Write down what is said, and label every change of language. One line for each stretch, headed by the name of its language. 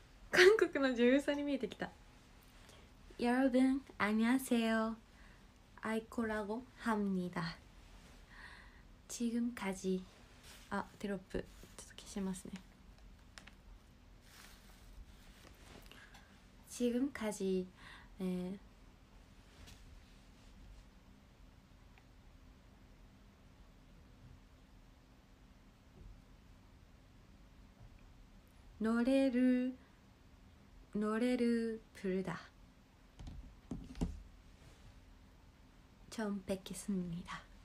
Japanese: 韓国の女優さんに見えてきた。
Korean: 여러분안녕하세요아이코라고합니다지금까지
Japanese: 아テロップちょっと消しますね。
Korean: 지금까지노래를부르다처음뵙겠습니다